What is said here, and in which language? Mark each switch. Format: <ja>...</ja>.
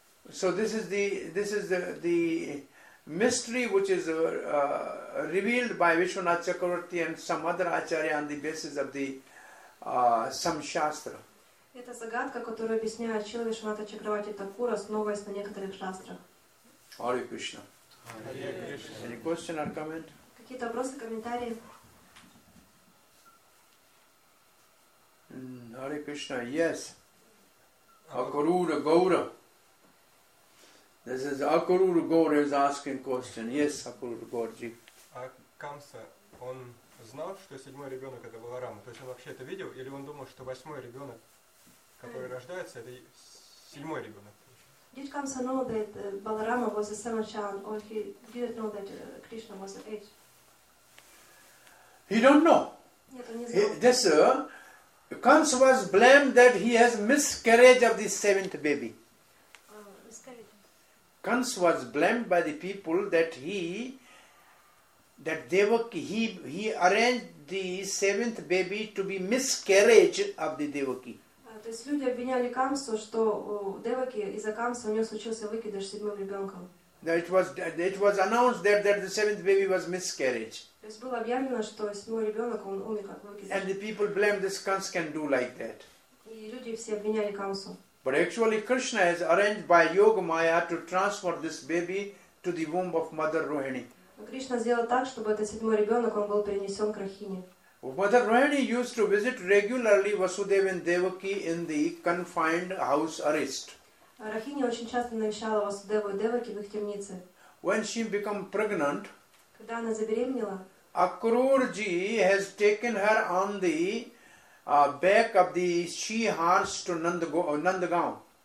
<en>So this is the mystery which is revealed by Vishwanath Chakravarti and some other acharya on the basis of the samshastra.</en> <ru>Это загадка, которую объясняет Чила Вишваната Чакравати Такур, основываясь на некоторых шастрах.</ru> <en>Hare Krishna. Any question or comment?</en> <ru>Какие-то вопросы, комментарии?</ru> <en>Hare Krishna, yes. Akarura Gaura. This is Akarur Gaur is asking question. Yes, Akarur Gaurji.</en> <ru>А Камса, он знал, что седьмой ребенок это была Рама? То есть он вообще это видел? Или он думал, что восьмой ребенок, который рождается, это седьмой ребенок?</ru> <en>Did Kamsa know that Balarama was the seventh child, or he didn't know that Krishna was the eighth? He don't know.</en> <ru>Нет, он не знал.</ru> <en>Kamsa was blamed that he has miscarriage of the seventh baby. Kansa was blamed by the people that he arranged the seventh baby to be miscarriage of the Devaki.</en> <ru>То есть люди обвиняли Камсу, что Деваки из-за Камсы у него случился выкидыш седьмым ребенком.</ru> <en>It was announced that the seventh baby was miscarriage.</en> <ru>То есть было объявлено, что седьмой ребенок он умер как выкидыш.</ru> <en>And the people blamed this Kansa can do like that.</en> <ru>И люди все обвиняли Камсу.</ru> <en>But actually Krishna has arranged by Yoga Maya to transfer this baby to the womb of Mother Rohini.</en> <ru>Krishna сделал так, чтобы этот седьмой ребенок был перенесен к Рахине.</ru> <en>Mother Rohini used to visit regularly Vasudeva and Devaki in the confined house arrest.</en> <ru>Рахине очень часто навещала Васудеву и Деваки в их темнице.</ru> <en>When she became pregnant,</en> <ru>когда она забеременела,</ru> <en>Акрурджи has taken her on the back of the she horse to Nandagaon.</en>